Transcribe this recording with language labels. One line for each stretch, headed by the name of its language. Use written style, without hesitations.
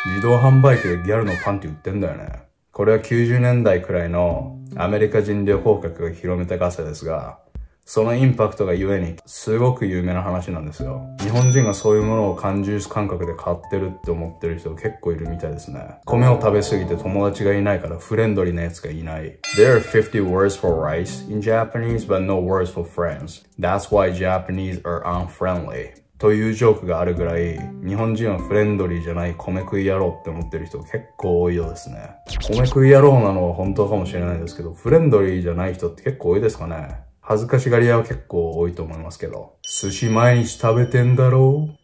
Japanese: 自動販売機でギャルのパンって売ってんだよね。これは90年代くらいのアメリカ人旅行客が広めたガセですが、そのインパクトがゆえにすごく有名な話なんですよ。日本人がそういうものを感じる感覚で買ってるって思ってる人結構いるみたいですね。米を食べすぎて友達がいないからフレンドリーなやつがいない。
English: There are 50 words for rice in Japanese but no words for friends. That's why Japanese are unfriendly.
Japanese: というジョークがあるぐらい、日本人はフレンドリーじゃない米食い野郎って思ってる人結構多いようですね。米食い野郎なのは本当かもしれないですけど、フレンドリーじゃない人って結構多いですかね。恥ずかしがり屋は結構多いと思いますけど。寿司毎日食べてんだろう？